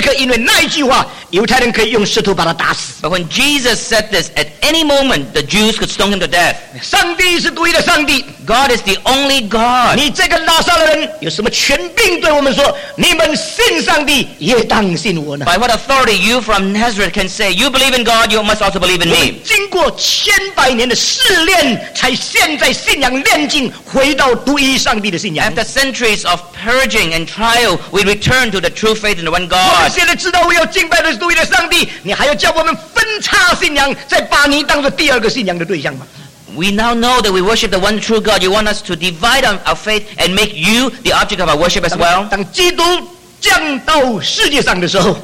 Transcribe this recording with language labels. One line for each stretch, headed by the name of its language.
Chinese: 但是耶稣就讲那一句话的时候，是冒着生命的危险，因为随时随刻，因为那一句话，犹太人可以用石头把他打死。But
English: when Jesus said this, at any moment, the Jews could stone him to death.
Chinese: 上帝是独一的上帝。God
English: is the only God.
Chinese: 你这个拉撒勒人有什么权柄对我们说，你们信上帝也当信我呢？
English: By what authority you from Nazareth can say you believe in God, you must also believe in me?
Chinese: 千百年的试炼，才现在信仰炼净，回到独一上帝的信仰。After
English: centuries of purging and trial, we return to the true faith in the one God.
Chinese: 我们现在知道我要敬拜的是独一的上帝，你还要叫我们分叉信仰，再把你当做第二个信仰的对象吗？
English: We now know that we worship the one true God. You want us to divide our faith and make you the object of our worship as well?
Chinese: 当基督降到世界上的时候，